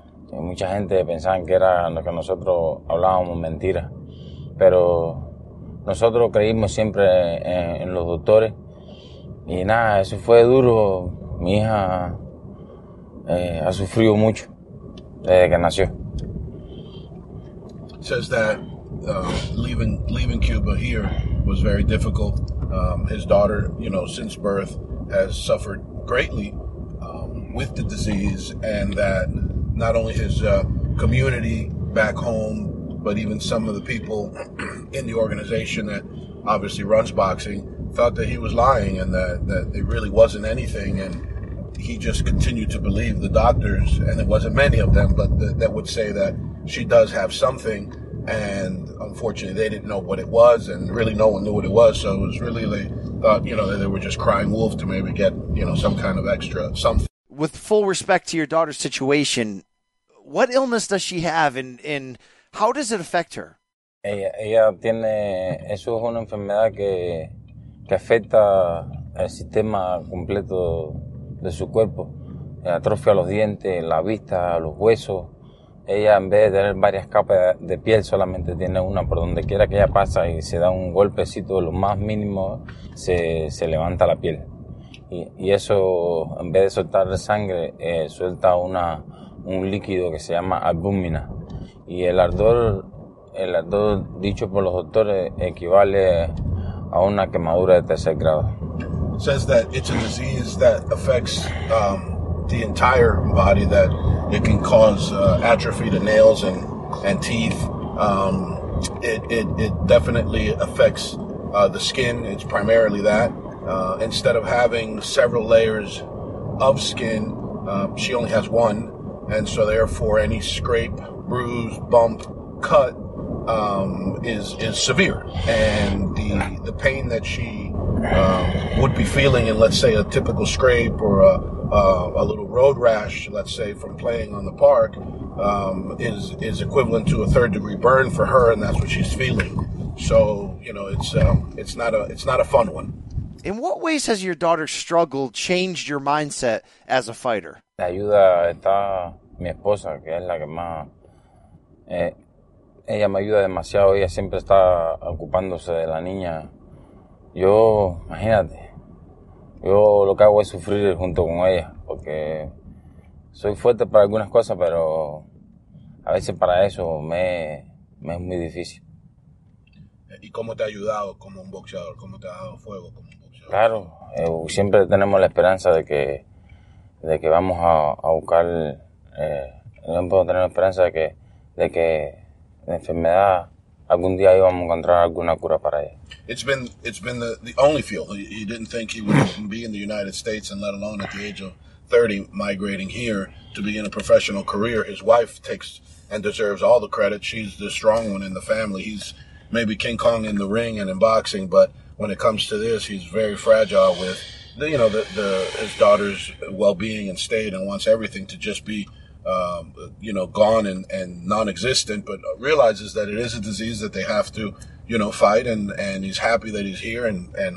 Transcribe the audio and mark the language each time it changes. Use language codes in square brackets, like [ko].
[es] Y mucha gente pensaba que era lo que nosotros hablábamos mentiras. Pero nosotros creímos siempre en los doctores. Y nada, eso fue duro. Mi hija ha sufrido mucho desde que nació. [en] Says that leaving Cuba here was very difficult. His daughter, you know, since birth has suffered greatly with the disease, and that not only his community back home, but even some of the people in the organization that obviously runs boxing thought that he was lying and that it really wasn't anything, and he just continued to believe the doctors, and it wasn't many of them, but that would say that she does have something, and unfortunately they didn't know what it was, and really no one knew what it was, so it was really, they thought, you know, that they were just crying wolf to maybe get, you know, some kind of extra something. With full respect to your daughter's situation, what illness does she have, and how does it affect her? [es] Ella tiene, eso es una enfermedad que afecta el sistema completo de su cuerpo, atrofia los dientes, la vista, los huesos. Ella, en vez de tener varias capas de piel, solamente tiene una. Por donde quiera que ella pasa y se da un golpecito, lo más mínimo, se levanta la piel. Y eso, en vez de soltar la sangre, suelta un líquido que se llama albúmina. Y el ardor dicho por los doctores equivale a una quemadura de tercer grado. [en] Says that it's a disease that affects the entire body, that it can cause atrophy to nails and teeth. It definitely affects the skin. It's primarily that. Instead of having several layers of skin, she only has one. And so therefore, any scrape, bruise, bump, cut is severe. And the pain that she would be feeling in, let's say, a typical scrape or a little road rash, let's say, from playing on the park, is equivalent to a third-degree burn for her, and that's what she's feeling. So, you know, it's not a fun one. In what ways has your daughter's struggle changed your mindset as a fighter? [es] La ayuda está mi esposa, que es la que más. Ella me ayuda demasiado. Ella siempre está ocupándose de la niña. Yo, imagínate. Yo lo que hago es sufrir junto con ella, porque soy fuerte para algunas cosas, pero a veces para eso me es muy difícil. ¿Y cómo te ha ayudado como un boxeador? ¿Cómo te ha dado fuego como un boxeador? Claro, siempre tenemos la esperanza de que vamos a buscar, siempre tenemos la esperanza de que la enfermedad algún día íbamos a encontrar alguna cura para ella. [en] It's been the only field. He didn't think he would be in the United States, and let alone at the age of 30 migrating here to begin a professional career. His wife takes and deserves all the credit. She's the strong one in the family. He's maybe King Kong in the ring and in boxing, but when it comes to this, he's very fragile with the his daughter's well-being and state, and wants everything to just be gone and non-existent, but realizes that it is a disease that they have to fight, and he's happy that he's here and